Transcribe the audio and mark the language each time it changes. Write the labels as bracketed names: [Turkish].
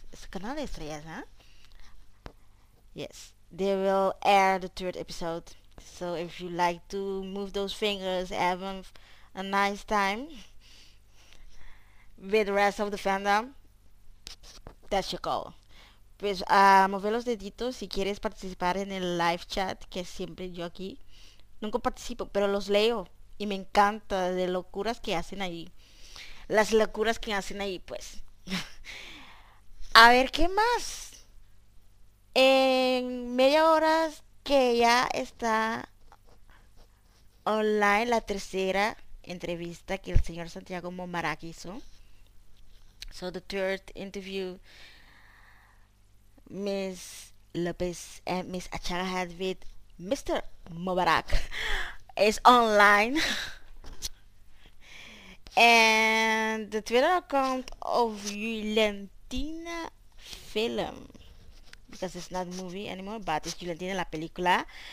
[English] It's Canal de Estrellas, huh? Yes, they will air the third episode. So if you like to move those fingers, have a nice time with the rest of the fandom, that's your call. [Spanish] Pues mover los deditos si quieres participar en el live chat, que siempre yo aquí. Nunca participo, pero los leo y me encanta de locuras que hacen ahí. Las locuras que hacen ahí, pues. A ver, ¿qué más? En media hora que ya está online la tercera entrevista que el señor Santiago Momarac hizo. [English] So the third interview Miss López and Miss Achara had with Mr. Mubarak is online. And the Twitter account of Yulentina Film, because it's not a movie anymore, but it's Yulentina la película.